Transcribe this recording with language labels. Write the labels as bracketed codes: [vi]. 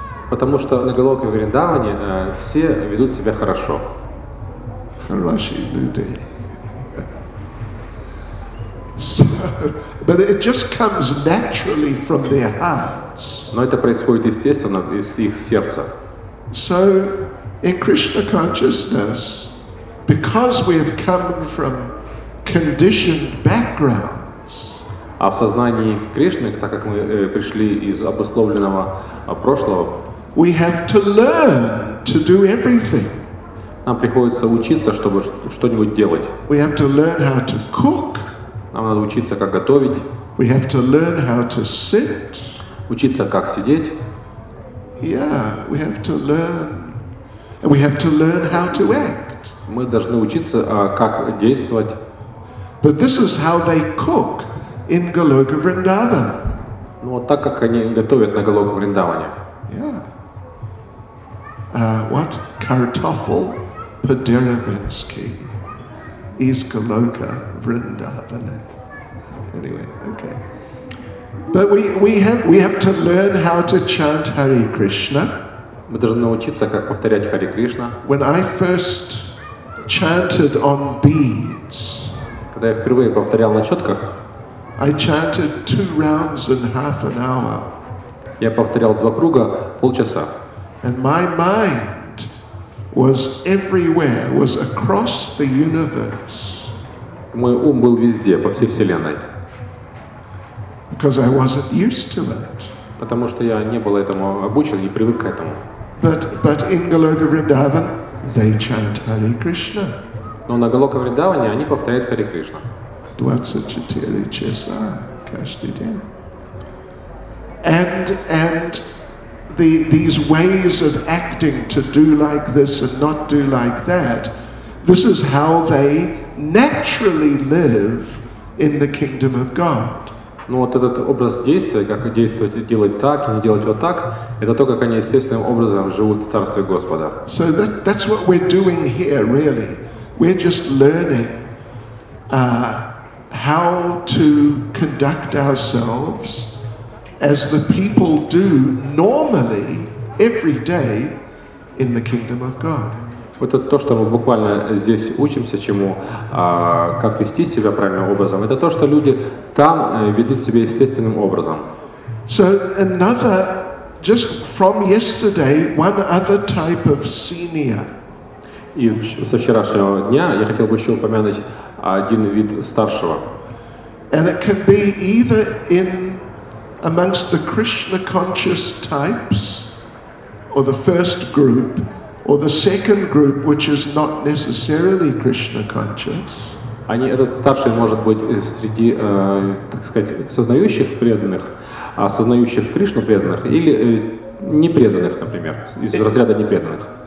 [ru] Потому что на Галоке Вриндаване все ведут себя хорошо. Хорошие люди. [en] But it just comes naturally from their hearts. [ru] Но это происходит естественно из их сердца. [en] So, in Krishna consciousness, because we have come from conditioned backgrounds. [ru] А в сознании Кришны, так как мы пришли из обусловленного прошлого, [en] we have to learn to do everything. [ru] Нам приходится учиться, чтобы что-нибудь делать. [en] We have to learn how to cook. [ru] Нам надо учиться, как готовить. [en] We have to learn how to sit. [ru] Учиться, как сидеть. [en] Yeah, we have to learn. And we have to learn how to act. [ru] Мы должны учиться, как действовать. [en] But this is how they cook in Galoka Vrindavan. [ru] Ну, вот так, как они готовят на Галоке Вриндаване. [en] Yeah. What? Kartoffel Paderewinski. Is Galoka Vrindavan. Anyway, okay. But we have to learn how to chant Hare Krishna. [ru] Мы должны научиться, как повторять Hare Krishna. [en] When I first chanted on beads. [ru] Когда я впервые повторял на четках. [en] I chanted 2 rounds in 30 minutes. [ru] Я повторял 2 круга, полчаса. [en] And my mind was everywhere, was across the universe. [ru] Мой ум был везде, по всей вселенной. [en] Because I wasn't used to it. [ru] Потому что я не был этому обучен, не привык к этому. [en] But in Galoka Vrindavan, they chant Hare Krishna. [ru] Но на Галоке Вриндаване они повторяют Hare Krishna. 24 часа каждый день. [en] And these ways of acting to do like this and not do like that, this is how they naturally live in the kingdom of God. [ru] Ну вот этот образ действия, как действовать, делать так и не делать вот так, это то, как они естественным образом живут в Царстве Господа. [en] So that's what we're doing here, really. We're just learning how to conduct ourselves as the people do normally every day in the kingdom of God. [ru] Вот это то, что мы буквально здесь учимся чему, как вести себя правильным образом. Это то, что люди там ведут себя естественным образом. [en] So another, just from yesterday, one other type of senior. [ru] И со вчерашнего дня я хотел бы еще упомянуть один вид старшего. [en] And it can be either in amongst the Krishna conscious types, or the first group, or the second group, which is not necessarily Krishna conscious. [ru] Они этот старший может быть среди, так сказать, сознающих преданных, осознающих Кришну преданных или непреданных, например, из разряда непреданных.